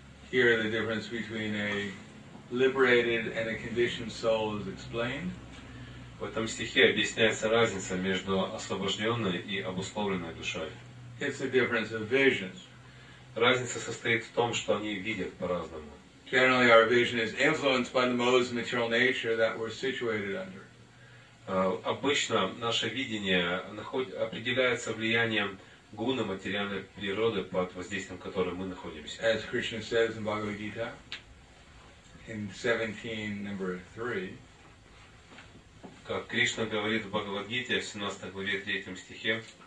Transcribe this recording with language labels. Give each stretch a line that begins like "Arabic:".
English: Here the difference between a liberated and a conditioned soul is explained.
Russian: В этом стихе объясняется разница между освобожденной и обусловленной душой.
English: It's a difference of vision.
Russian: Разница состоит в том, что они видят по-разному.
English: Generally, our vision is influenced by the modes of material nature that we're situated under.
Russian: Обычно наше видение определяется влиянием гуны материальной природы, под воздействием которой мы находимся.
English: As Krishna says in Bhagavad Gita, in 17, number 3,
Russian: как Кришна говорит в Бхагавад-гите, в 17 главе, 3 стихе,